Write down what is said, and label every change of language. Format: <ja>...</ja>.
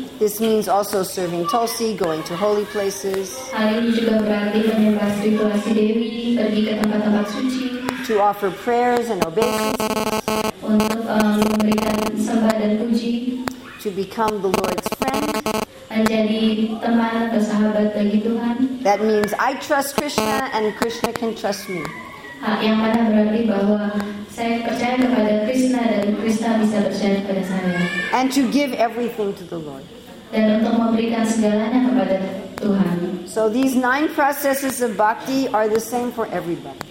<en>This means also serving Tulsi, going to holy places.</en> <id>Hal ini juga berarti menyembah Sri Tulsi Dewi, pergi ke tempat-tempat suci.</id> <en>To offer prayers and obeisances.</en> <id>Untuk memberikan sembah dan puji.</id> <en>To become the Lord's friend.</en> <id>Menjadi teman atau sahabat bagi Tuhan.</id> <en>That means I trust Krishna and Krishna can trust me.</en> <id>Yang mana berarti bahwa saya percaya kepada Krishna dan Krishna bisa percaya kepada saya.</id> <en>And to give everything to the Lord.</en> <id>Dan untuk memberikan segalanya kepada Tuhan.</id> <en>So these 9 processes of bhakti are the same for everybody.</en>